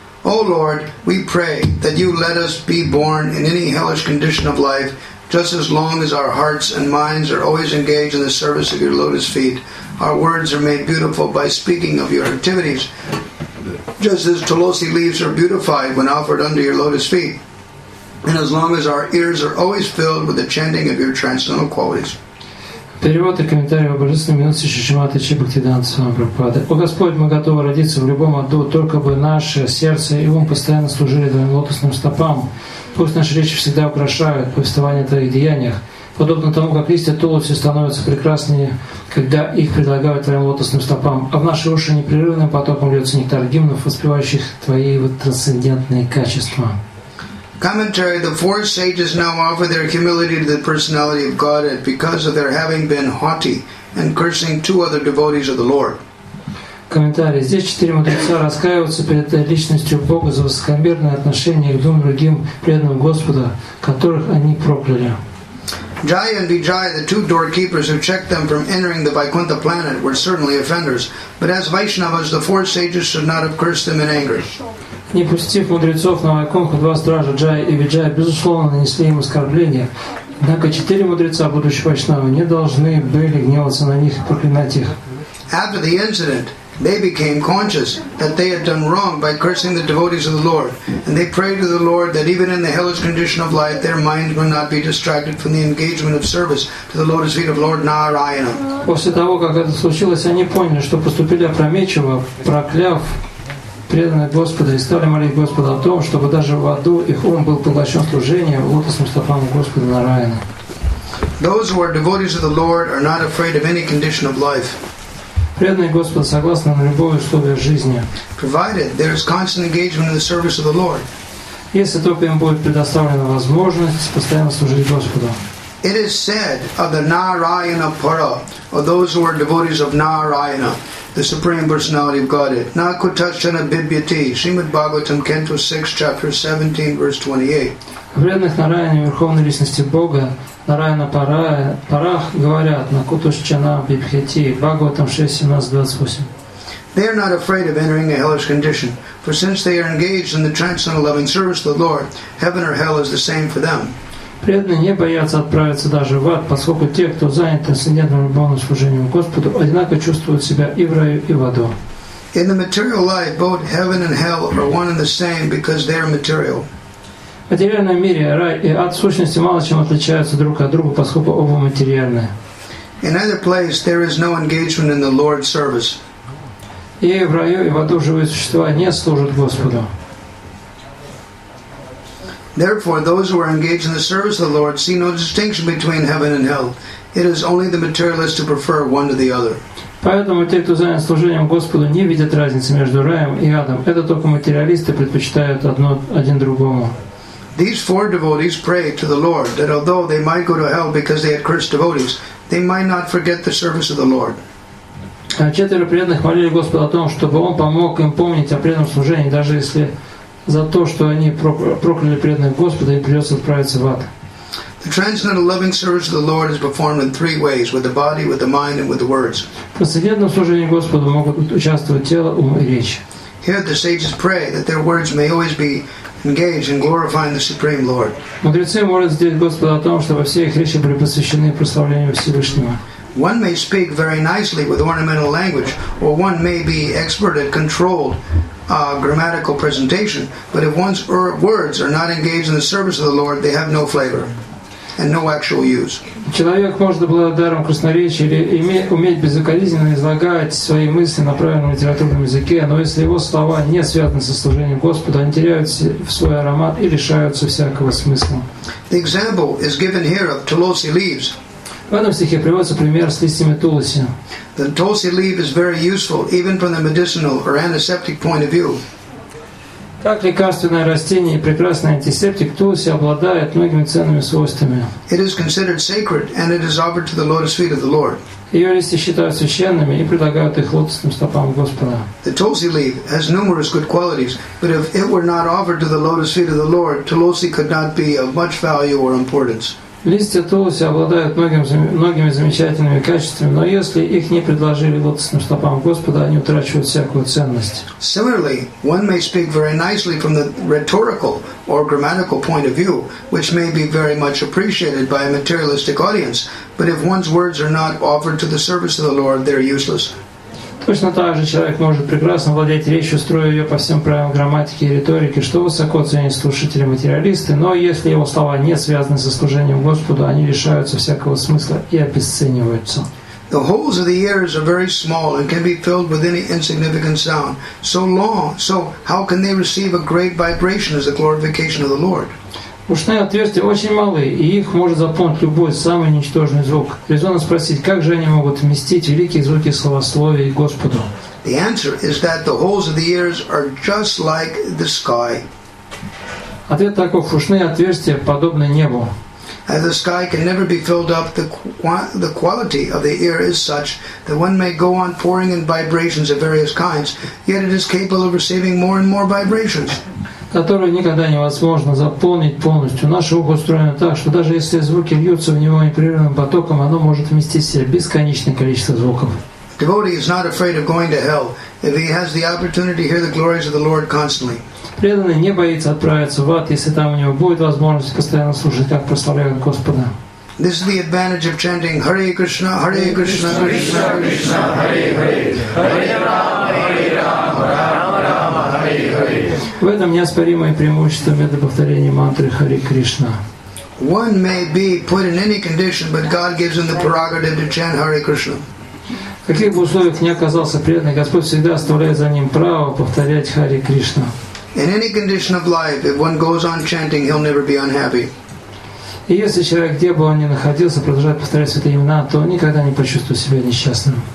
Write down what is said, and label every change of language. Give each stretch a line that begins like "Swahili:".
English: O Lord, we pray that you let us be born in any hellish condition of life, just as long as our hearts and minds are always engaged in the service of your lotus feet. Our words are made beautiful by speaking of your activities, just as Tulsi leaves are beautified when offered under your lotus feet, and as long as our ears are always filled with the chanting of your transcendental qualities.
Russian: Перевод и комментарий о Божественной милости Шримати Чибхактиданты Свами Прабхупады. О Господь, мы готовы родиться в любом аду, только бы наше сердце и ум постоянно служили твоим лотосным стопам. Пусть наши речи всегда украшают повествование о твоих деяниях, подобно тому, как листья тулуси становятся прекраснее, когда их предлагают твоим лотосным стопам, а в наши уши непрерывным потоком льется нектар гимнов, воспевающих твои вот трансцендентные качества.
English: Commentary: the four sages now offer their humility to the personality of Godhead because of their having been haughty and cursing two other devotees of the Lord.
Russian: Комментарий: здесь четыре мудреца раскаиваются перед личностью Бога за высокомерное отношение к двум другим преданным Господа, которых они прокляли.
English: Jaya and Vijaya, the two doorkeepers who checked them from entering the Vaikuntha planet, were certainly offenders. But as Vaishnavas, the four sages should not have cursed them in anger.
Russian: Не пустив мудрецов на Вайкунху, два стража, Джая и Виджая, безусловно, нанесли им оскорбление. Однако четыре мудреца, будучи вайшнавы, не должны были гневаться на них и проклинать их.
English: After the incident, they became conscious that they had done wrong by cursing the devotees of the Lord, and they prayed to the Lord that even in the hellish condition of life, their minds would not be distracted from the engagement of service to the lotus feet of Lord Narayana.
Russian: После того, как это случилось, они поняли, что поступили опрометчиво, прокляв преданных Господа, и стали молить Господа о том, чтобы даже в аду их ум был поглощен служением лотосным стопам Господа Нараяна.
English: Those who are devotees of the Lord are not afraid of any condition of life.
Russian: Преданные Господа согласны на любое условие жизни.
English: Provided there is constant engagement in the service of the Lord.
Russian: Если только им будет предоставлена возможность постоянно служить Господу.
English: It is said of the Narayana Pura, or those who are devotees of Narayana, the Supreme Personality of Godhead. Nakutachana Bibhyati, Srimad Bhagavatam, Canto 6, Chapter 17, Verse 28.
Russian: В преданных Нараяне Верховной Личности Бога, Нараяна Парах, говорят, Накутушчана Бибхяти, Бхагаватам 6, 17, 28.
English: They are not afraid of entering a hellish condition, for since they are engaged in the transcendental loving service of the Lord, heaven or hell is the same for them.
Russian: Преданные не боятся отправиться даже в ад, поскольку те, кто занят трансцендентным любовным служением Господу, одинаково чувствуют себя и в раю, и в аду.
English: In the material life, both heaven and hell are one and the same because they are material.
Russian: В материальном мире рай и ад в сущности мало чем отличаются друг от друга, поскольку оба материальны.
English: In either place, there is no engagement in the Lord's service.
Russian: И в раю, и в аду живые существа не служат Господу.
English: Therefore, those who are engaged in the service of the Lord see no distinction between heaven and hell. It is only the materialist to prefer one to the other.
Russian: Поэтому те, кто занят служением Господу, не видят разницы между раем и адом. Это только материалисты предпочитают одно один другому.
English: These four devotees prayed to the Lord that although they might go to hell because they had cursed devotees, they might not forget the service of the Lord.
Russian: Четверо преданных молили Господа о том, чтобы Он помог им помнить о преданном служении, даже если за то, что они прокляли преданных Господа, им придется отправиться в ад.
English: The transcendental loving service of the Lord is performed in three ways: with the body, with the mind, and with the words.
Russian: В трансцендентном служении Господу могут участвовать тело, ум и речь.
English: Here the sages pray that their words may always be engaged in glorifying the Supreme Lord.
Russian: Мудрецы молятся здесь Господа о том, чтобы все их речи были посвящены прославлению Всевышнего.
English: One may speak very nicely with ornamental language, or one may be expert at controlled grammatical presentation, but if one's words are not engaged in the service of the Lord, they have no flavor and no actual use.
Russian: Человек может обладать даром красноречия или уметь безукоризненно излагать свои мысли на правильном литературном языке, но если его слова не связаны со служением Господа, они теряют свой аромат и лишаются всякого смысла.
English: The example is given here of Tulsi leaves.
Russian: В этом стихе приводится пример с листьями тулоси.
English: The tulsi leaf is very useful, even from the medicinal or antiseptic point of view.
Russian: Как лекарственное растение и прекрасный антисептик, тулоси обладает многими ценными свойствами.
English: It is considered sacred, and it is offered to the lotus feet of the Lord.
Russian: Ее листья считают священными и предлагают их лотосным стопам Господа.
English: The tulsi leaf has numerous good qualities, but if it were not offered to the lotus feet of the Lord, tulsi could not be of much value or importance.
Russian: Листья тулуси обладают многими замечательными качествами, но если их не предложили лотосным стопам Господа, они утрачивают всякую ценность.
English: Similarly, one may speak very nicely from the rhetorical or grammatical point of view, which may be very much appreciated by a materialistic audience, but if one's words are not offered to the service of the Lord, they're useless.
Russian: Точно так же человек может прекрасно владеть речью, строя ее по всем правилам грамматики и риторики, что высоко ценят слушатели-материалисты, но если его слова не связаны со служением Господу, они лишаются всякого смысла и обесцениваются.
English: The holes of the ears are very small and can be filled with any insignificant sound. So how can they receive a great vibration as a glorification of the Lord?
Russian: Ушные отверстия очень малы, и их может заполнить любой самый ничтожный звук. Резонно спросить, как же они могут вместить великие звуки словословия Господу?
English: The answer is that the holes of the ears are just like the sky.
Russian: Ответ таков: ушные отверстия подобны небу.
English: As the sky can never be filled up, the quality of the ear is such that one may go on pouring in vibrations of various kinds, yet it is capable of receiving more and more vibrations.
Russian: Которую никогда невозможно заполнить полностью. Наше ухо устроено так, что даже если звуки льются в него непрерывным потоком, оно может вместить в себя бесконечное количество звуков.
English: Devotee is not afraid of going to hell if he has the opportunity to hear the glories of the Lord constantly.
Russian: Преданный не боится отправиться в ад, если там у него будет возможность постоянно слушать, как прославляют Господа.
English: This is the advantage of chanting Hare Krishna, Hare Krishna, Krishna Krishna, Hare Hare, Hare Rama, Hare Rama, Rama Rama, Hare Hare.
Russian: В этом неоспоримое преимущество метода повторения мантры Хари Кришна.
English: One may be put in any condition, but God gives him the prerogative to chant Hare Krishna.
Russian: Каких бы условиях ни оказался преданный, Господь всегда оставляет за ним право повторять Хари Кришна.
English: In any condition of life, if one goes on chanting, he'll never be unhappy. И если человек, где бы он ни находился, продолжает повторять святые имена, то никогда не почувствует себя несчастным.